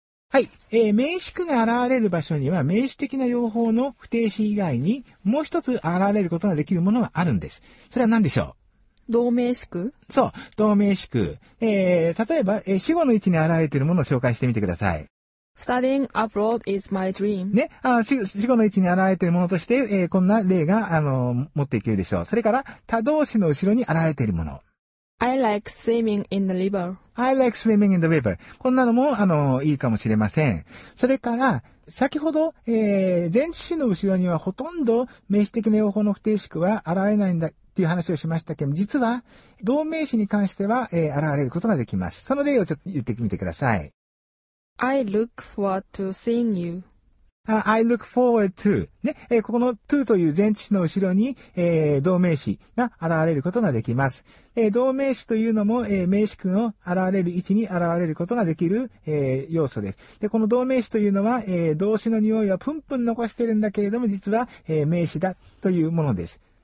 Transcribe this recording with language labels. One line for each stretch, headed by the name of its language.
Japanese: はい、名詞句が現れる場所には名詞的な用法の不定詞以外にもう一つ現れることができるものがあるんです。それは何でしょう？同名詞句？そう、同名詞句。例えば、主語の位置に現れているものを紹介してみてください。
English: Studying abroad is my dream.
Japanese: ね、主語の位置に現れているものとして、こんな例が持っていけるでしょう。それから他動詞の後ろに現れているもの。
English: I like swimming in the river. I like swimming in the river.
Japanese: こんなのも、いいかもしれません。それから、先ほど、前置詞の後ろにはほとんど名詞的な用法の不定詞句は現れないんだっていう話をしましたけど、実は、同名詞に関しては、現れることができます。その例をちょっと言ってみてください。
English: I look forward to seeing you. I look forward to.
Japanese: ね、ここの to という前置詞の後ろに、動名詞が現れることができます。動名詞というのも、名詞句の現れる位置に現れることができる、要素です。で、この動名詞というのは、動詞の匂いはプンプン残してるんだけれども、実は、名詞だというものです。